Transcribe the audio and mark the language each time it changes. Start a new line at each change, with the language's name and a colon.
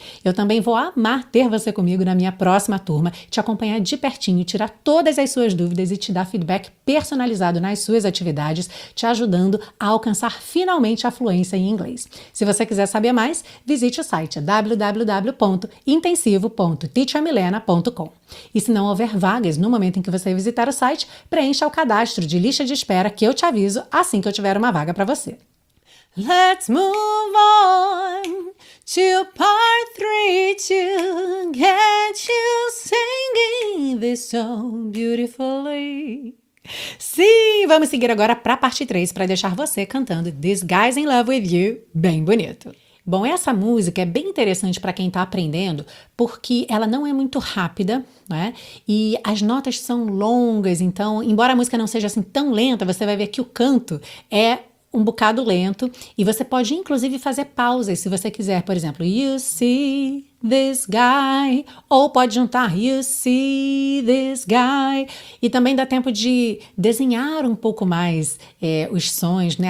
Portuguese: Eu também vou amar ter você comigo na minha próxima turma, te acompanhar de pertinho, tirar todas as suas dúvidas e te dar feedback personalizado nas suas atividades, te ajudando a alcançar finalmente a fluência em inglês. Se você quiser saber mais, visite o site www.intensivo.teachermilena.com. E se não houver vagas no momento em que você visitar o site, preencha o cadastro de lista de espera que eu te aviso assim que eu tiver uma vaga para você.
English: Let's move on to part three to get you singing this song beautifully.
Portuguese: Sim, vamos seguir agora para a parte 3 para deixar você cantando This Guy's in Love with You bem bonito. Bom, essa música é bem interessante para quem está aprendendo, porque ela não é muito rápida, né? E as notas são longas, então, embora a música não seja assim tão lenta, você vai ver que o canto é um bocado lento, e você pode inclusive fazer pausas se você quiser, por exemplo,
English: You see this guy,
Portuguese: ou pode juntar You see this guy, e também dá tempo de desenhar um pouco mais os sons, né?